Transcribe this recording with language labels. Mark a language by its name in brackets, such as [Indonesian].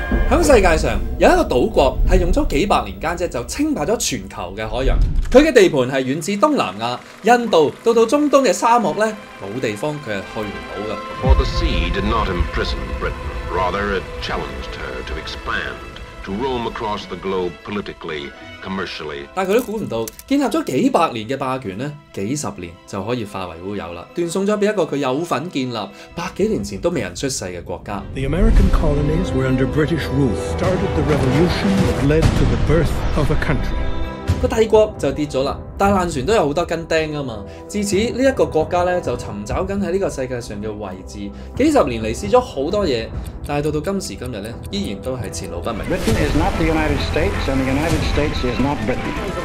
[Cantonese] 在世界上有一个岛国是用了几百年间就称霸了全球的海洋，它的地盘是远至东南亚、印度到到中东的沙漠，呢没有地方它是去不到的。 [English] For the sea did not imprison Britain, rather it challenged her to expand, to roam across the globe politically, commercially. [Cantonese] 但它都估不到建立了几百年的霸权呢几十年就可以化为乌有了，断送了给一个它有份建立百几年前都没人出世的国家。 [English] The American colonies were under British rule, started the revolution that led to the birth of a country. [Cantonese] 帝国就跌了，但烂船都有很多根钉嘛。自此这个国家就寻找在这个世界上的位置，几十年来试了很多东西，但是到今时今日依然都是前路不明。 [English] Britain is not the United States and the United States is not Britain.